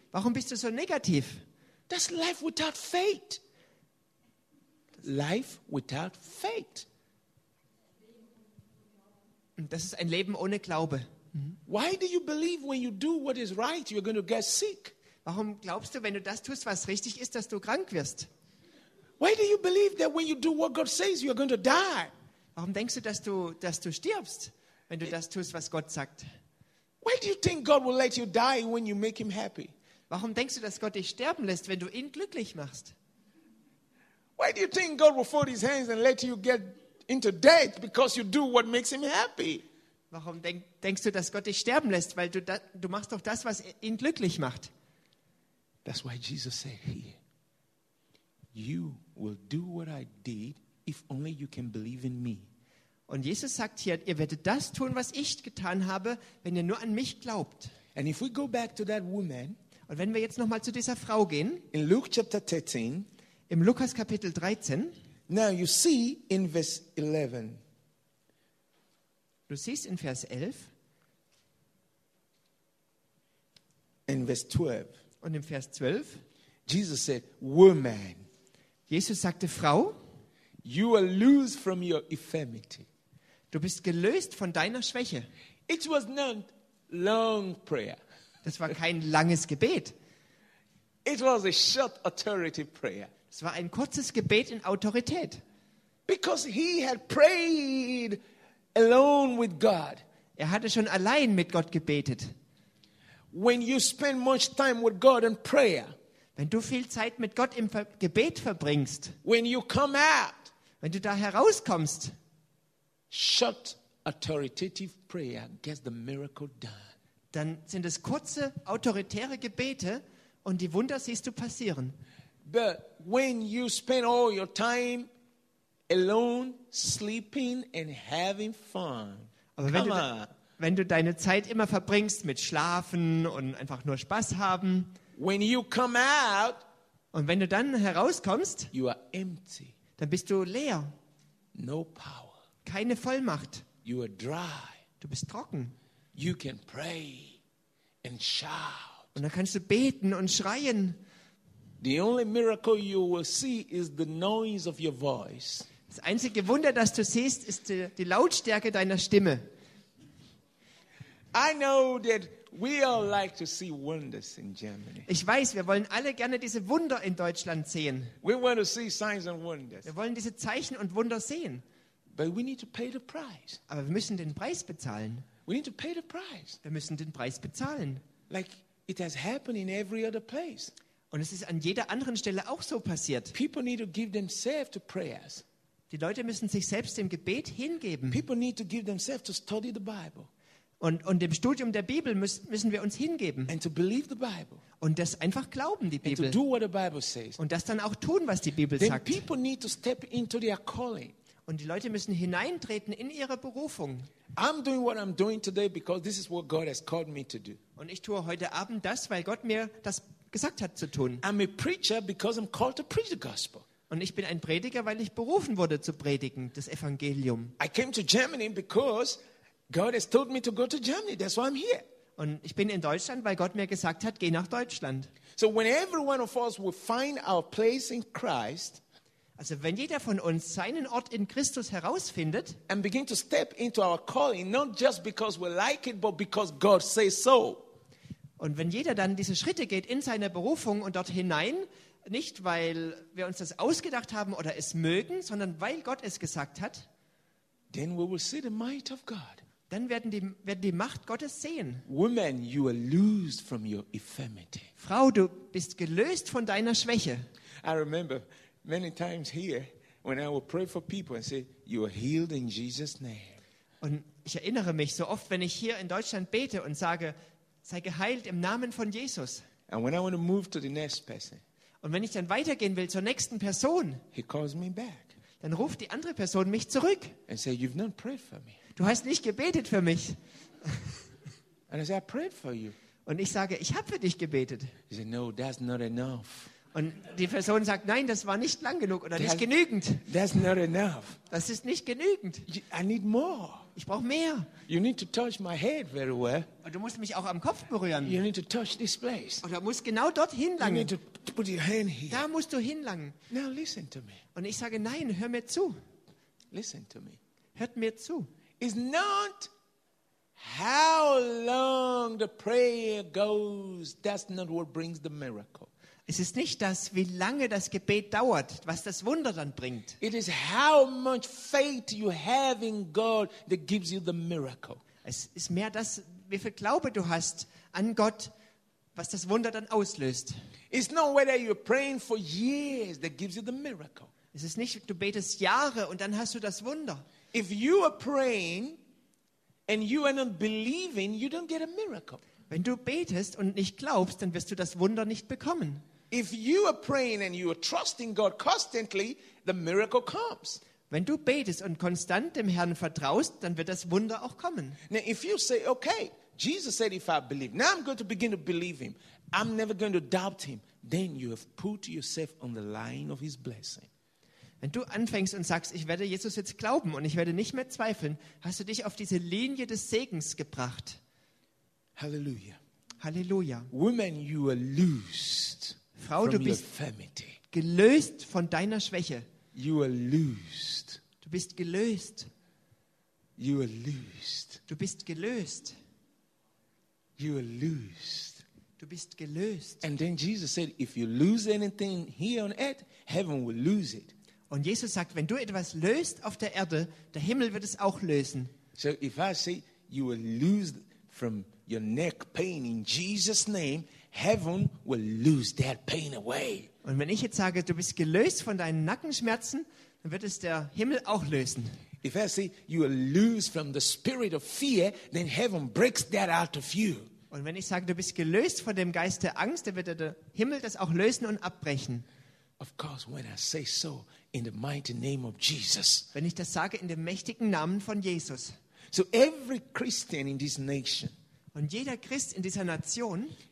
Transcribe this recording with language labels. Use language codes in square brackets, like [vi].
[de] Warum bist du so negativ? [en] That's life without faith. Life without faith. [de] Das ist ein Leben ohne Glaube. [en] Why do you believe when you do what is right, you're going to get sick? [de] Warum glaubst du, wenn du das tust, was richtig ist, dass du krank wirst? [en] Why do you believe that when you do what God says, you're going to die? [de] Warum denkst du, dass du stirbst, wenn du das tust, was Gott sagt? [en] Why do you think God will let you die when you make him happy? [de] Warum denkst du, dass Gott dich sterben lässt, wenn du ihn glücklich machst? [en] Why do you think God will fold his hands and let you get into debt because you do what makes him happy? [de] Warum denkst du, dass Gott dich sterben lässt, weil du machst doch das, was ihn glücklich macht? [en] That's why Jesus said here, you will do what I did if only you can believe in me. [de] Und Jesus sagt hier, ihr werdet das tun, was ich getan habe, wenn ihr nur an mich glaubt. [en] And if we go back to that woman, [de] und wenn wir jetzt noch mal zu dieser Frau gehen, [en] in Luke chapter 13, [de] im Lukas Kapitel 13, [en] now you see in verse 11, [de] du siehst in Vers 11, [en] in verse 12, [de] und im Vers 12, [en] Jesus said, woman, [de] Jesus sagte, Frau, [en] you are loose from your infirmity. [de] Du bist gelöst von deiner Schwäche. [en] It was not long prayer. [de] Das war kein langes Gebet. [en] It was a short authority prayer. [de] Es war ein kurzes Gebet in Autorität. [en] Because he had prayed alone with God. [de] Er hatte schon allein mit Gott gebetet. [en] When you spend much time with God in prayer. [de] Wenn du viel Zeit mit Gott im Gebet verbringst. [en] When you come out. [de] Wenn du da herauskommst. [en] Short authoritative prayer gets the miracle done. [de] Dann sind es kurze autoritäre Gebete und die Wunder siehst du passieren. [en] But when you spend all your time alone sleeping and having fun. [de] Aber wenn du deine Zeit immer verbringst mit Schlafen und einfach nur Spaß haben. [en] When you come out. [de] Und wenn du dann herauskommst. [en] You are empty. [de] Dann bist du leer. [en] No power. [de] Keine Vollmacht. [en] You are dry. [de] Du bist trocken. [en] You can pray and shout. [de] Und dann kannst du beten und schreien. [en] The only miracle you will see is the noise of your voice. [de] Das einzige Wunder, das du siehst, ist die Lautstärke deiner Stimme. [en] I know that we all like to see wonders in Germany. [de] Ich weiß, wir wollen alle gerne diese Wunder in Deutschland sehen. [en] We want to see signs and wonders. [de] Wir wollen diese Zeichen und Wunder sehen. [en] But we need to pay the price. [de] Aber wir müssen den Preis bezahlen. [en] We need to pay the price. [de] Wir müssen den Preis bezahlen. [en] Like it has happened in every other place. [de] Und es ist an jeder anderen Stelle auch so passiert. [en] People need to give themselves to prayers. [de] Die Leute müssen sich selbst dem Gebet hingeben. [en] People need to give themselves to study the Bible. [de] Und dem Studium der Bibel müssen wir uns hingeben. [en] And to believe the Bible. [de] Und das einfach glauben, die Bibel. [en] And to do what the Bible says. [de] Und das dann auch tun, was die Bibel [en] then [de] sagt. [en] People need to step into their calling. [de] Und die Leute müssen hineintreten in ihre Berufung. [en] I'm doing what I'm doing today because this is what God has called me to do. [de] Und ich tue heute Abend das, weil Gott mir das gesagt hat zu tun. [en] I'm a preacher because I'm called to preach the gospel. [de] Und ich bin ein Prediger, weil ich berufen wurde zu predigen, das Evangelium. [en] I came to Germany because God has told me to go to Germany. That's why I'm here. [de] Und ich bin in Deutschland, weil Gott mir gesagt hat, geh nach Deutschland. [en] So when every one of us will find our place in Christ. [de] Also wenn jeder von uns seinen Ort in Christus herausfindet [en] and begin to step into our calling, not just because we like it, but because God says so. [de] Und wenn jeder dann diese Schritte geht in seine Berufung und dort hinein, nicht weil wir uns das ausgedacht haben oder es mögen, sondern weil Gott es gesagt hat, [en] then we will see the might of God. [de] dann werden die Macht Gottes sehen. [en] Woman, you are loosed from your infirmity. [de] Frau, du bist gelöst von deiner Schwäche. [en] I remember many times here when I would pray for people and say, you are healed in Jesus' name. [de] Und ich erinnere mich so oft, wenn ich hier in Deutschland bete und sage, sei geheilt im Namen von Jesus. [en] And when I want to move to the next person, [de] und wenn ich dann weitergehen will zur nächsten Person, [en] he calls me back. [de] Dann ruft die andere Person mich zurück. [en] And say, you've not prayed for me. [de] Du hast nicht gebetet für mich. [en] And I say, I prayed for you. [de] Und ich sage, ich habe für dich gebetet. [en] He said, no, that's not enough. [de] Und die Person sagt, nein, das war nicht lang genug oder nicht genügend. [en] That's not enough. [de] Das ist nicht genügend. [en] I need more. [de] Ich brauche mehr. [en] You need to touch my head very well. [de] Und du musst mich auch am Kopf berühren. [en] You need to touch this place. [de] Und du musst genau dorthin langen. [en] You need to put your hand here. [de] Da musst du hinlangen. [en] Now listen to me. [de] Und ich sage, nein, hör mir zu. [en] Listen to me. [de] Hört mir zu. [en] It's not how long the prayer goes. That's not what brings the miracle. [de] Es ist nicht das, wie lange das Gebet dauert, was das Wunder dann bringt. [en] It is how much faith you have in God that gives you the miracle. [de] Es ist mehr das, wie viel Glaube du hast an Gott, was das Wunder dann auslöst. [en] It's not whether you're praying for years that gives you the miracle. [de] Es ist nicht, du betest Jahre und dann hast du das Wunder. [en] If you are praying and you are not believing, you don't get a miracle. [de] Wenn du betest und nicht glaubst, dann wirst du das Wunder nicht bekommen. [en] If you are praying and you are trusting God constantly, the miracle comes. [de] Wenn du betest und konstant dem Herrn vertraust, dann wird das Wunder auch kommen. [en] Now if you say, okay, Jesus said if I believe, now I'm going to begin to believe him, I'm never going to doubt him, then you have put yourself on the line of his blessing. [de] Wenn du anfängst und sagst, ich werde Jesus jetzt glauben und ich werde nicht mehr zweifeln, hast du dich auf diese Linie des Segens gebracht. [en] Hallelujah. [de] Hallelujah. [en] Woman, you are loosed. [de] Frau, du bist gelöst von deiner Schwäche. [en] You are loosed. [de] Du bist gelöst. [en] You are loosed. [de] Du bist gelöst. [en] You are loosed. [de] Du bist gelöst. [en] And then Jesus said, if you lose anything here on earth, heaven will lose it. [de] Und Jesus sagt, wenn du etwas löst auf der Erde, der Himmel wird es auch lösen. [en] So if I say you will lose from your neck pain in Jesus' name, heaven will lose that pain away. [de] Und wenn ich jetzt sage, du bist gelöst von deinen Nackenschmerzen, dann wird es der Himmel auch lösen. [en] If I say you are loosed from the spirit of fear, then heaven breaks that out of you. [de] Und wenn ich sage, du bist gelöst von dem Geist der Angst, dann wird der Himmel das auch lösen und abbrechen. [en] Of course, when I say so in the mighty name of Jesus. [de] Wenn ich das sage in dem mächtigen Namen von Jesus. [en] So every Christian in this nation. [de] Und jeder Christ in dieser Nation